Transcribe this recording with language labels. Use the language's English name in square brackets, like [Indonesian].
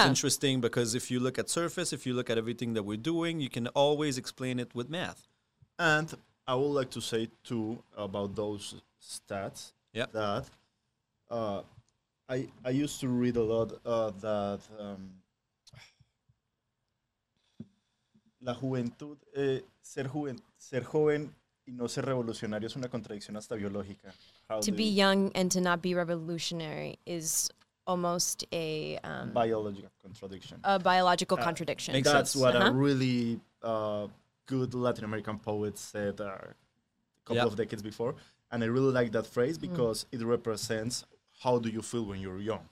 [English] It's interesting because if you look at surface, if you look at everything that we're doing, you can always explain it with math. And I would like to say, too, about those stats that I used to read a lot that [Spanish] la juventud, ser joven y no ser revolucionario es una contradicción hasta biológica. [English] How to be young and to not be revolutionary is almost a biological contradiction. A biological contradiction. Makes that's sense. What uh-huh. a really good Latin American poet said a couple yep. of decades before. And I really like that phrase because it represents how do you feel when you're young.